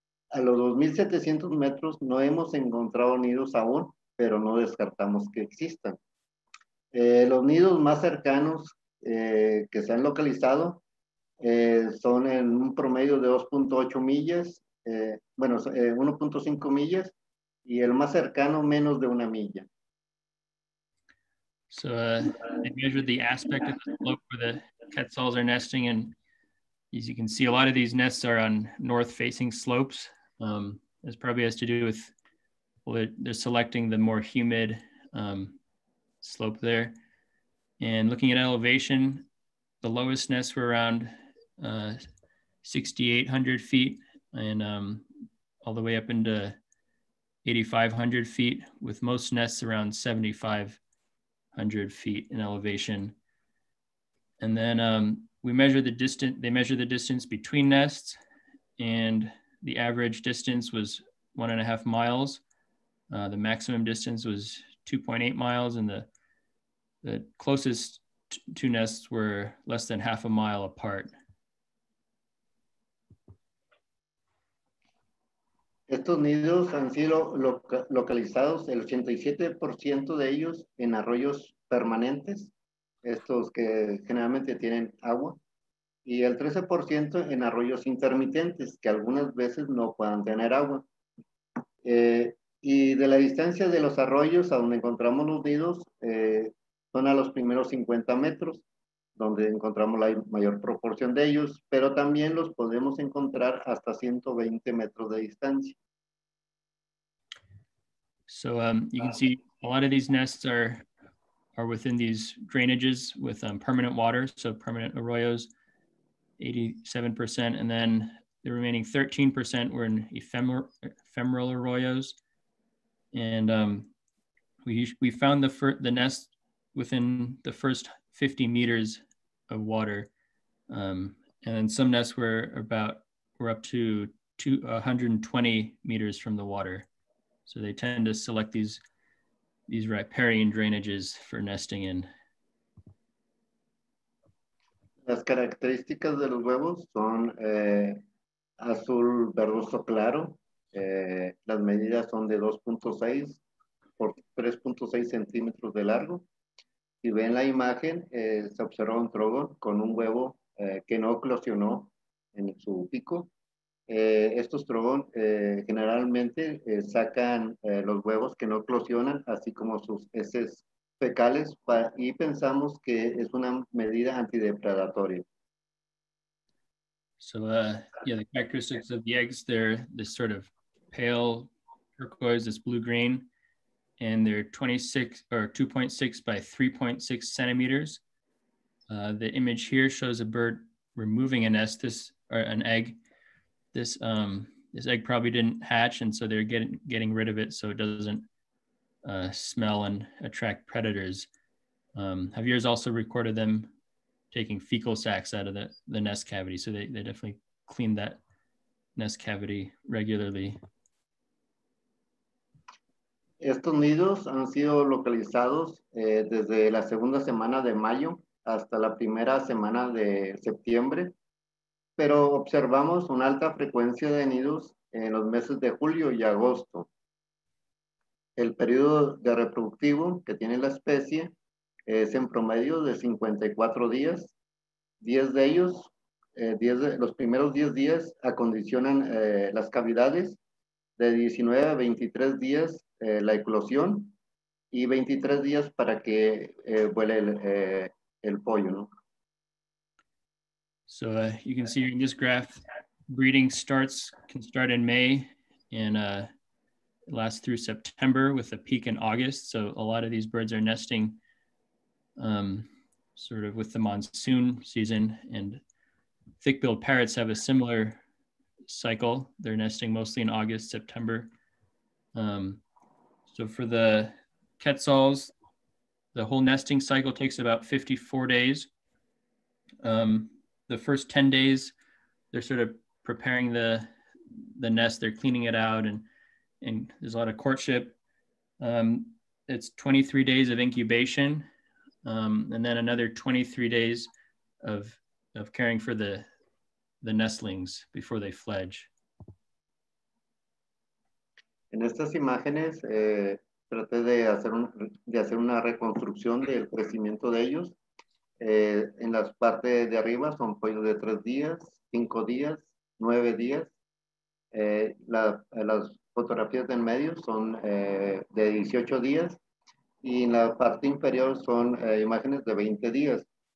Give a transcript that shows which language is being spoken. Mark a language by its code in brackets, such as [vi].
[es] A los 2.700 metros no hemos encontrado nidos aún, pero no descartamos que existan. Los nidos más cercanos que se han localizado son en un promedio de 2.8 millas, 1.5 millas, y el más cercano menos de una milla. [en] So they measured the aspect of the slope where the quetzals are nesting, and as you can see, a lot of these nests are on north-facing slopes. This probably has to do with, well, they're selecting the more humid slope there. And looking at elevation, the lowest nests were around 6,800 feet and all the way up into 8,500 feet, with most nests around 7,500 feet in elevation. And then they measure the distance between nests, and the average distance was 1.5 miles. The maximum distance was 2.8 miles, and the closest two nests were less than half a mile apart. [es] Estos nidos han sido localizados, el 87% de ellos, en arroyos permanentes, estos que generalmente tienen agua, y el 13% en arroyos intermitentes, que algunas veces no puedan tener agua. Y de la distancia de los arroyos a donde encontramos los nidos, son a los primeros 50 metros, donde encontramos la mayor proporción de ellos, pero también los podemos encontrar hasta 120 metros de distancia. [en] So you can see a lot of these nests are within these drainages with permanent water, so permanent arroyos, 87%, and then the remaining 13% were in ephemeral arroyos. And we found the nest within the first 50 meters of water. And then some nests were up to 120 meters from the water. So they tend to select these riparian drainages for nesting in. [es] Las características de los huevos son azul verdoso claro. Las medidas son de 2.6 por 3.6 centímetros de largo. Si ven la imagen, se observa un trogón con un huevo que no eclosionó en su pico. Estos trogón generalmente sacan los huevos que no eclosionan, así como sus heces fecales, y pensamos que es una medida antidepredatoria. [en] So yeah, the characteristics of the eggs, they're this sort of pale turquoise, this blue green, and they're 2.6 by 3.6 centimeters. The image here shows a bird removing a nest, this or an egg. This egg probably didn't hatch, and so they're getting rid of it so it doesn't smell and attract predators. Javier's also recorded them taking fecal sacs out of the nest cavity. So they definitely clean that nest cavity regularly. [es] Estos nidos han sido localizados desde la segunda semana de mayo hasta la primera semana de septiembre. Pero observamos una alta frecuencia de nidos en los meses de julio y agosto. El periodo de reproductivo que tiene la especie es en promedio de 54 días. 10 de ellos, los primeros 10 días acondicionan las cavidades, de 19 a 23 días la eclosión y 23 días para que vuele el pollo, ¿no? [en] So you can see in this graph, breeding can start in May and last through September with a peak in August. So a lot of these birds are nesting sort of with the monsoon season, and thick-billed parrots have a similar cycle. They're nesting mostly in August, September. So for the quetzals, the whole nesting cycle takes about 54 days. The first 10 days, they're sort of preparing the nest. They're cleaning it out, and there's a lot of courtship. It's 23 days of incubation, and then another 23 days of caring for the nestlings before they fledge. [es] En estas imágenes, traté de hacer una reconstrucción del crecimiento de ellos. En las partes de arriba son pollos de 3 días, 5 días, 9 días. Las fotografías de en medio son de 18 días y en la parte inferior son imágenes de 20 días.